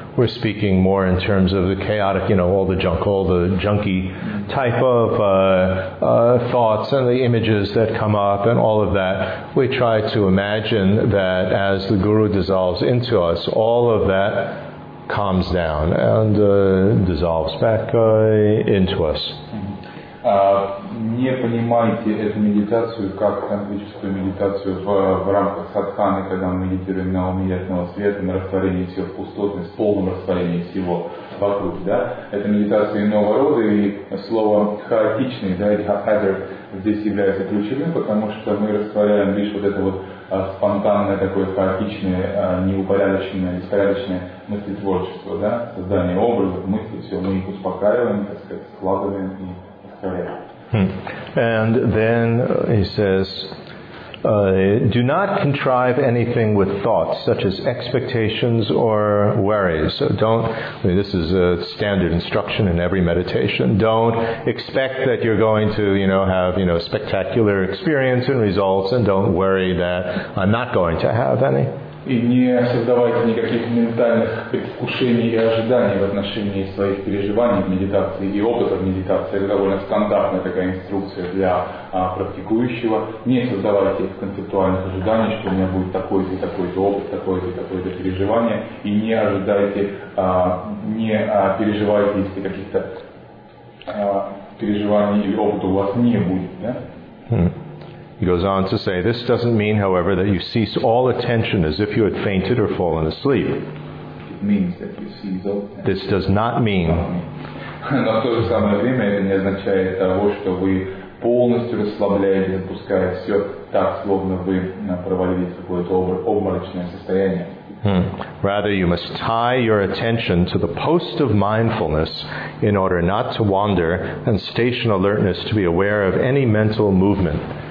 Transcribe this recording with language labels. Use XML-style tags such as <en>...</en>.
<en>We're speaking more in terms of the chaotic, you know, all the junk, all the junky type of thoughts and the images that come up and all of that. We try to imagine that as the guru dissolves into us, all of that calms down and dissolves back into us.</en> <ru>Не понимайте эту медитацию как тантрическую медитацию в рамках садханы, когда мы медитируем на умиятельного света, на растворении всего в пустотность, в полном растворении всего вокруг. Да? Это медитация иного рода, и слово хаотичный, да, или haphazard, здесь является ключевым, потому что мы растворяем лишь вот это вот спонтанное, такое хаотичное, неупорядоченное, беспорядочное мыслетворчество, да, создание образов, мысли, все, мы их успокаиваем, так сказать, складываем и.</ru> <en>And then he says, do not contrive anything with thoughts, such as expectations or worries. So don't, I mean, this is a standard instruction in every meditation. Don't expect that you're going to, you know, have, you know, spectacular experience and results, and don't worry that I'm not going to have any.</en> <ru>И не создавайте никаких ментальных предвкушений и ожиданий в отношении своих переживаний в медитации и опыта в медитации. Это довольно стандартная такая инструкция для практикующего. Не создавайте концептуальных ожиданий, что у меня будет такой-то и такой-то опыт, такое-то и такое-то переживание. И не ожидайте, переживайте, если каких-то переживаний или опыта у вас не будет. Да?</ru> <en>He goes on to say, this doesn't mean, however, that you cease all attention as if you had fainted or fallen asleep. It means that you cease all attention. This does not mean.</en> <ru>Но в то же самое время это не означает того, что вы полностью расслабляетесь, отпуская все так, словно вы провалились в какое-то обморочное состояние.</ru> <en>Rather, you must tie your attention to the post of mindfulness in order not to wander and station alertness to be aware of any mental movement.</en>